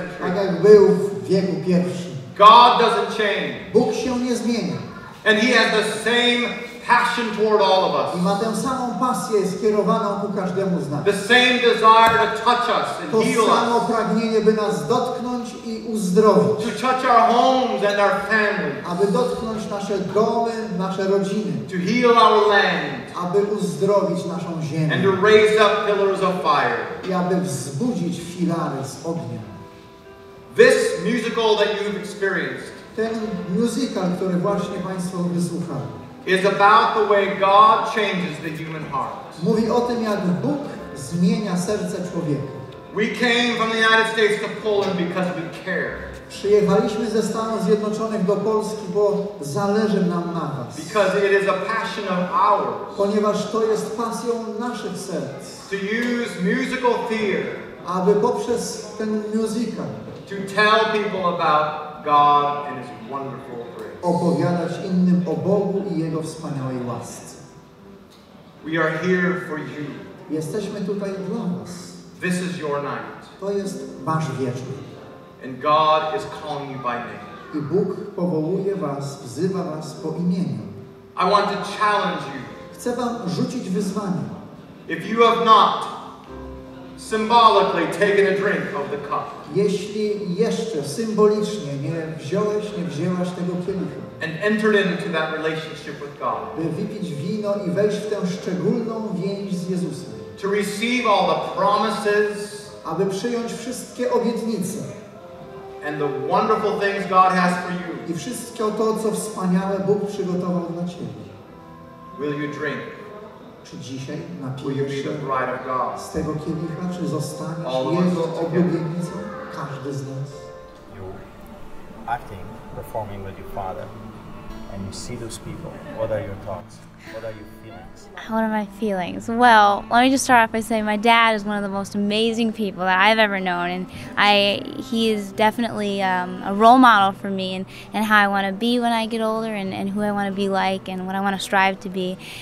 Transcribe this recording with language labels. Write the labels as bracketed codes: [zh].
[en] I got will wieku pierwszy. God doesn't change. [pl] Bóg się nie zmienia. [en] And He has the same passion toward all of us. [pl] I ma tę samą pasję skierowaną ku każdemu z nas. [en] The same desire to touch us and to heal us. [pl] To samo pragnienie, by nas dotknąć i uzdrowić. [en] To touch our homes and our families. [pl] Aby dotknąć nasze domy, nasze rodziny. [en] To heal our land. [pl] Aby uzdrowić naszą ziemię. [en] And to raise up pillars of fire. [pl] I aby wzbudzić filary z ognia. [en] This musical that you've experienced. [pl] Ten musical, który właśnie Państwo wysłuchali. [en] Is about the way God changes the human heart. [pl] Mówi o tym, jak Bóg zmienia serce człowieka. [en] We came from the United States to Poland because we care. [pl] Przyjechaliśmy ze Stanów Zjednoczonych do Polski, bo zależy nam na was. [en] Because it is a passion of ours. [pl] Ponieważ to jest pasją naszych serc. [en] To use musical theater. [pl] Aby poprzez ten musical. [en] To tell people about God and His wonderful grace. [pl] Opowiadać innym o Bogu i Jego wspaniałej łasce. [en] We are here for you. [pl] Jesteśmy tutaj dla was. [en] This is your night. [pl] To jest wasz wieczór. [en] And God is calling you by name. [pl] I Bóg powołuje was, wzywa was po imieniu. [en] I want to challenge you. [pl] Chcę wam rzucić wyzwanie. [en] If you have not symbolically taken a drink of the cup. [pl] Jeśli jeszcze symbolicznie nie wziąłeś, nie wzięłaś tego kielicha. [en] And entered into that relationship with God. [pl] By wypić wino i wejść w tę szczególną więź z Jezusem. [en] To receive all the promises. [pl] Aby przyjąć wszystkie obietnice. [en] And the wonderful things God has for you. [pl] I wszystko to, co wspaniałe Bóg przygotował dla ciebie. [en] Will you drink? [pl] Czy dzisiaj napijesz się [en] bride of God? [pl] Z tego kielicha, czy zostaniesz all Jego obietnicą? Każdy z nas. [en] You're acting, performing with your Father, and you see those people. What are your thoughts? What are your feelings? What are my feelings? Well, let me just start off by saying my dad is one of the most amazing people that I've ever known, and he is definitely a role model for me and how I want to be when I get older and who I want to be like and what I want to strive to be.